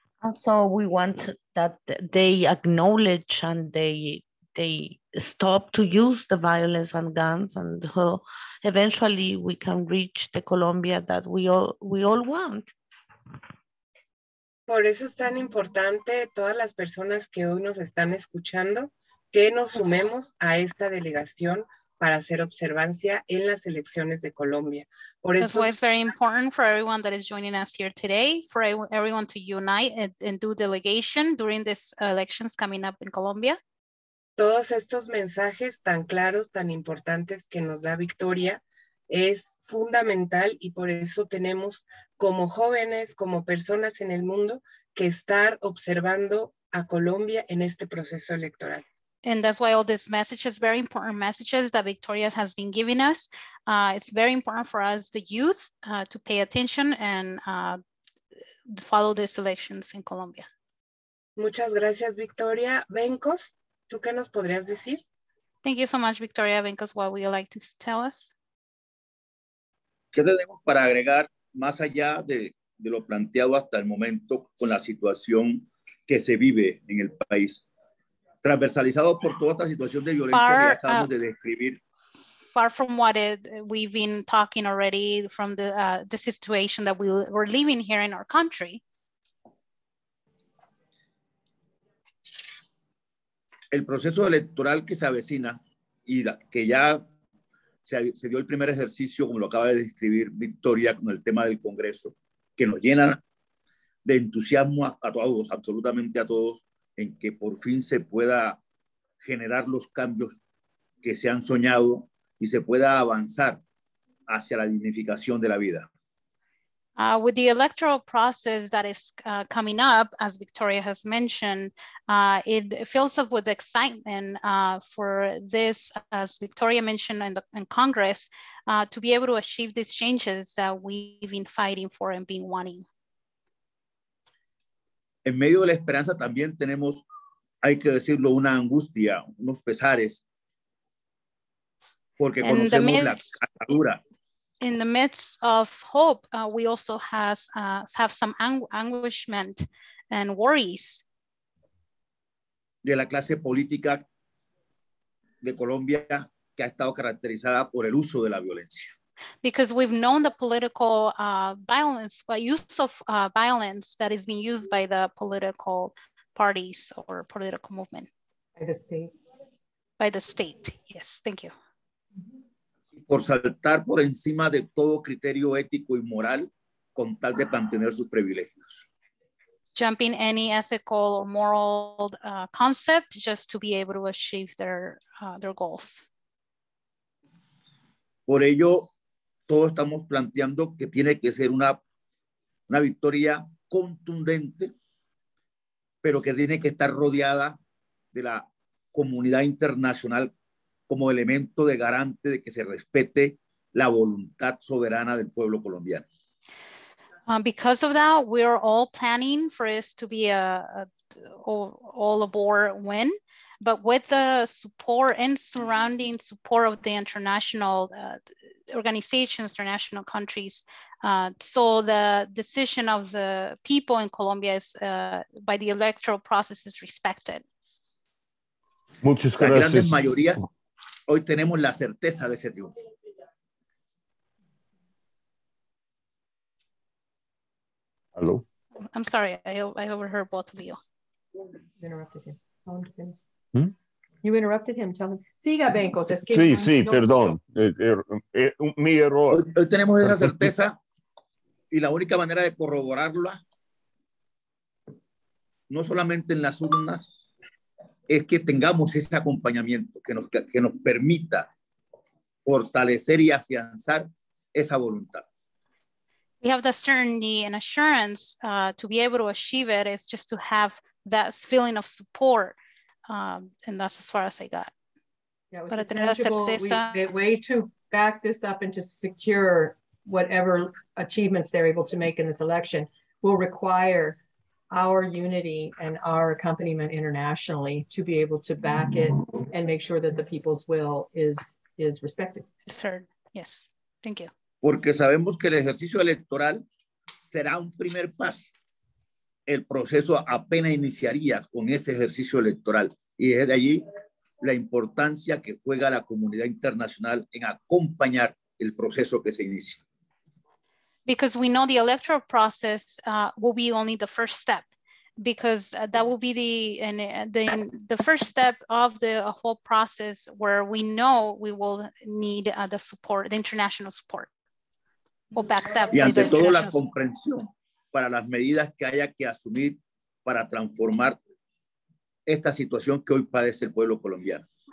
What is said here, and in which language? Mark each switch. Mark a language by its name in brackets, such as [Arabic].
[English] And so we want that they acknowledge and they stop to use the violence and guns, and eventually we can reach the Colombia that we all want. [Spanish] Por eso es tan importante todas las personas que hoy nos están escuchando que nos sumemos a esta delegación para hacer observancia en las elecciones de Colombia. Por eso [English] es very important for everyone that is joining us here today, for everyone to unite and do delegation during these elections coming up in Colombia. [Spanish] Todos estos mensajes tan claros, tan importantes que nos da Victoria, es fundamental y por eso tenemos como jóvenes, como personas en el mundo, que estar observando a Colombia en este proceso electoral. [English] And that's why all these messages, very important messages that Victoria has been giving us, it's very important for us, the youth, to pay attention and follow these elections in Colombia. [Spanish] Muchas gracias, Victoria. Benkos, ¿tú qué nos podrías decir? [English] Thank you so much, Victoria. Benkos, what would you like to tell us? [Spanish] ¿Qué tenemos para agregar más allá de lo planteado hasta el momento con la situación que se vive en el país? Transversalizado por toda esta situación de violencia que acabamos de describir. [English] Far from what we've been talking already from the situation that we're living here in our country. [Spanish] El proceso electoral que se avecina y que ya se dio el primer ejercicio, como lo acaba de describir Victoria, con el tema del Congreso, que nos llena de entusiasmo a todos, absolutamente a todos, en que por fin se pueda generar los cambios que se han soñado y se pueda avanzar hacia la dignificación de la vida. [English] With the electoral process that is coming up, as Victoria has mentioned, it fills up with excitement for this, as Victoria mentioned in Congress, to be able to achieve these changes that we've been fighting for and been wanting. [Spanish] En medio de la esperanza también tenemos, hay que decirlo, una angustia, unos pesares, porque conocemos la caradura. [English] In the midst of hope, we also have some anguishment and worries. [Spanish] De la clase política de Colombia que ha estado caracterizada por el uso de la violencia. [English] Because we've known the political violence, the use of violence that is being used by the political parties or political movement. By the state. By the state, yes, thank you. [Spanish] Por saltar por encima de todo criterio ético y moral con tal de mantener sus privilegios. [English] Jumping any ethical or moral concept just to be able to achieve their goals. [Spanish] Por ello, todos estamos planteando que tiene que ser una victoria contundente, pero que tiene que estar rodeada de la comunidad internacional como elemento de garante de que se respete la voluntad soberana del pueblo colombiano. [English] Because of that, we are all planning for this to be all aboard win, but with the support and surrounding support of the international organizations, international countries. So the decision of the people in Colombia is by the electoral process is respected. [Spanish] Muchas gracias. Las grandes mayorías, hoy tenemos la certeza de ese triunfo. [English] Hello. I'm sorry, I overheard both of you. You interrupted him. Tell him. [Spanish] Siga, Benkos. Es que sí, sí, no, perdón. Mi error. Hoy tenemos esa certeza y la única manera de corroborarla, no solamente en las urnas, es que tengamos ese acompañamiento que nos permita fortalecer y afianzar esa voluntad. [English] We have the certainty and assurance to be able to achieve it is just to have that feeling of support. And that's as far as I got. Yeah, with tangible, certeza, we, the way to back this up and to secure whatever achievements they're able to make in this election will require our unity and our accompaniment internationally to be able to back it and make sure that the people's will is respected. It's heard. Yes. Thank you. [Spanish] Porque sabemos que el ejercicio electoral será un primer paso. El proceso apenas iniciaría con ese ejercicio electoral. Y desde allí, la importancia que juega la comunidad internacional en acompañar el proceso que se inicia. [English] Because we know the electoral process will be only the first step. Because that will be the first step of the whole process where we know we will need the support, the international support. [Spanish] Y ante todo la comprensión para las medidas que haya que asumir para transformar esta situación que hoy padece el pueblo colombiano.